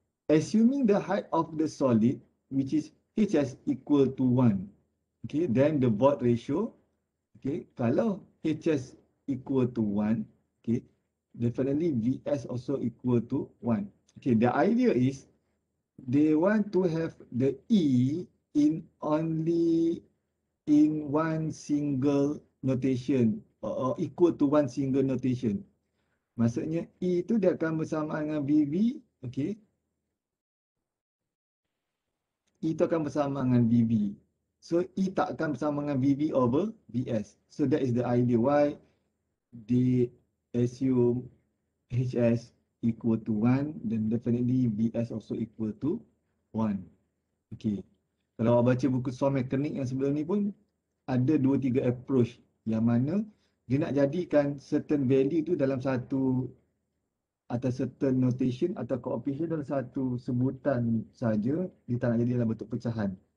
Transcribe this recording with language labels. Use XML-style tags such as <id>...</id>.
<en>Assuming the height of the solid which is HS equal to 1, okay, then the void ratio, okay, kalau HS equal to 1, okay, definitely VS also equal to 1. Okay, the idea is they want to have the E in only in one single notation or equal to one single notation.</en> <ms>Maksudnya E itu dia akan bersamaan dengan VV, okay. E itu akan bersamaan dengan VV. So E tak akan bersamaan dengan VV over VS.</ms> <en>So that is the idea why they assume HS equal to 1, then definitely VS also equal to 1.</en> <ms>Okay. Kalau awak baca buku soil mechanics yang sebelum ni pun ada 2-3 approach yang mana dia nak jadikan certain value tu dalam satu atau certain notation atau coefficient dalam satu sebutan saja, dia tak nak jadi dalam bentuk pecahan.</ms>